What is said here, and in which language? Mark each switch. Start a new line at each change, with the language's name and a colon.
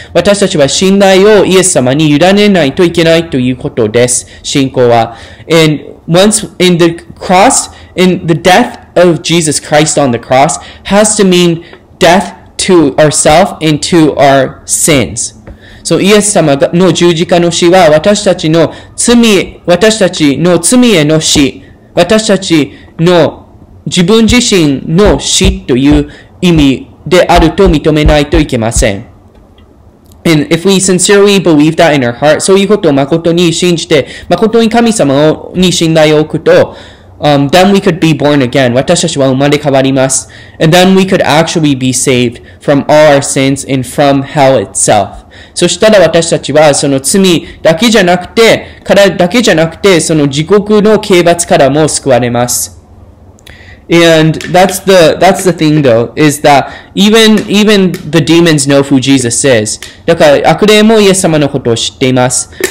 Japanese: 私たちは信頼をイエス様に委ねないといけないということです信仰は。
English: And once in the cross, in the death of Jesus Christ on the cross has to mean death to ourselves and to our sins.
Japanese: So, イエス様の十字架の死は私たちの罪への死、私たちの自分自身の死という意味であると認めないといけません。
English: And if we sincerely believe that in our heart,
Japanese: そういうことを誠に信じて、誠に神様に信頼を置くと、
English: then we could be born again.
Japanese: 私たちは生まれ変わります。
English: And then we could actually be saved from all our sins and from hell itself.
Japanese: そしたら私たちはその罪だけじゃなくて、からだけじゃなくて、その地獄の刑罰からも救われます。
English: And that's the thing though, is that even the demons know who Jesus is.
Japanese: だから悪霊もイエス様のことを知っています。